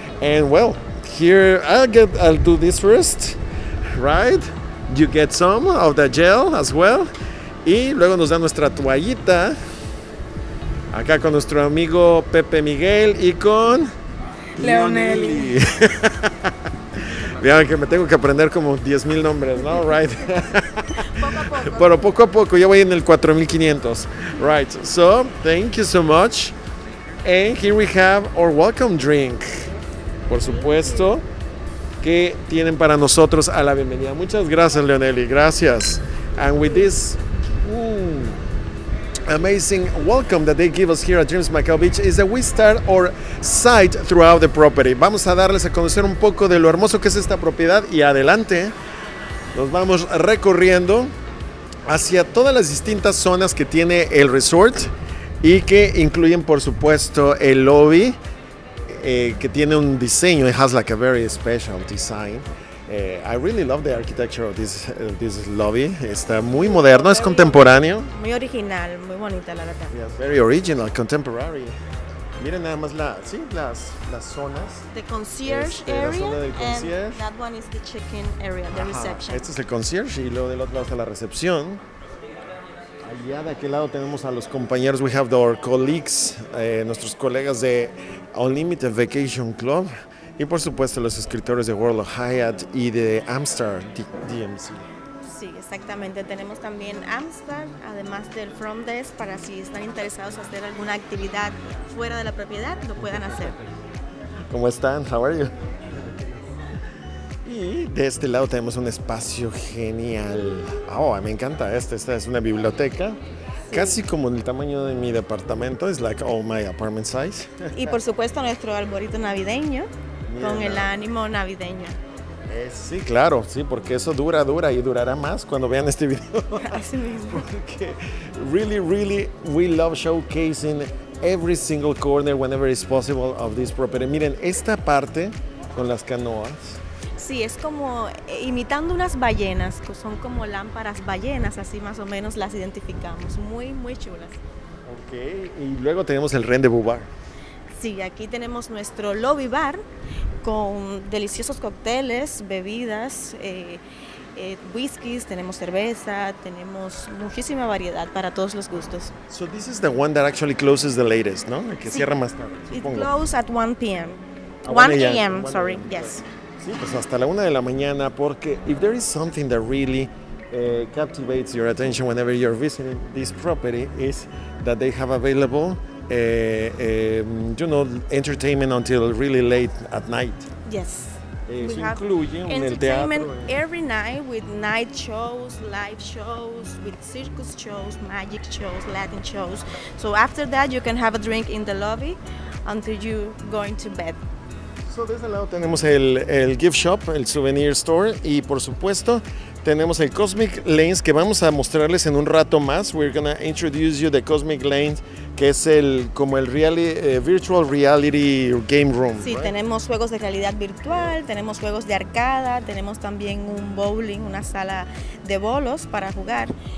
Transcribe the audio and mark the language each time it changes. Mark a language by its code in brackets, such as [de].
[en] And well, here, I'll do this first, right? You get some of the gel as well. [es] Y luego nos da nuestra toallita. Acá con nuestro amigo Pepe Miguel y con... Leonelli. Vean que me tengo que aprender como 10,000 nombres, ¿no? [en] Right. [es] Poco a poco. Pero poco a poco, ya voy en el 4,500. [en] Right. So, thank you so much. And here we have our welcome drink. [es] Por supuesto, que tienen para nosotros a la bienvenida. Muchas gracias, Leonelli. Gracias. [en] And with this amazing welcome that they give us here at Dreams Macao Beach is that we start our site throughout the property. [es] Vamos a darles a conocer un poco de lo hermoso que es esta propiedad y adelante nos vamos recorriendo hacia todas las distintas zonas que tiene el resort y que incluyen por supuesto el lobby que tiene un diseño. [en] It has like a very special design. I really love the architecture of this lobby. [es] Está muy moderno, es contemporáneo. Muy original, muy bonita la verdad. [en] Yes, very original, contemporary. [es] Miren nada más las zonas. [en] The concierge area. [es] La zona del concierge. [en] And that one is the check-in area, the reception. [es] Este es el concierge y luego del otro lado está la recepción. Allá de aquel lado tenemos a los compañeros. [en] We have our colleagues, [es] nuestros colegas de [en] Unlimited Vacation Club. [es] Y por supuesto los escritores de World of Hyatt y de Amstar DMC. Sí, exactamente. Tenemos también Amstar, además del front desk, para si están interesados hacer alguna actividad fuera de la propiedad, lo puedan hacer. ¿Cómo están? [en] How are you? [es] Y de este lado tenemos un espacio genial. Oh, me encanta este. Esta es una biblioteca. Casi como el tamaño de mi departamento. [en] It's like all my apartment size. [es] Y por supuesto nuestro arbolito navideño. Con el ánimo navideño. Sí, claro, sí, porque eso dura y durará más cuando vean este video. Así mismo. [en] Porque really, really, we love showcasing every single corner whenever it's possible of this property. [es] Miren, esta parte con las canoas. Sí, es como imitando unas ballenas, son como lámparas ballenas, así más o menos las identificamos. Muy, muy chulas. Ok, y luego tenemos el rendezvous bar. Sí, aquí tenemos nuestro lobby bar con deliciosos cócteles, bebidas, whiskies, tenemos cerveza, tenemos muchísima variedad para todos los gustos. [en] So this is the one that actually closes the latest, ¿no? [es] Que sí. Cierra más tarde, supongo. [en] It closes at 1 p.m. 1 a.m., sorry, yes. [es] Sí, pues hasta la 1 de la mañana, porque [en] if there is something that really captivates your attention whenever you're visiting this property is that they have available entertainment until really late at night. Yes. We have entertainment every night with night shows, live shows, with circus shows, magic shows, Latin shows. So after that, you can have a drink in the lobby until you going to bed. [es] So de este lado tenemos el gift shop, el souvenir store, y por supuesto tenemos el Cosmic Lanes que vamos a mostrarles en un rato más. [en] We're gonna introduce you the Cosmic Lanes, [es] que es [en] virtual reality game room. [es] Sí, [en] right? [es] Tenemos juegos de realidad virtual, tenemos juegos de arcada, tenemos también un bowling, una sala de bolos para jugar.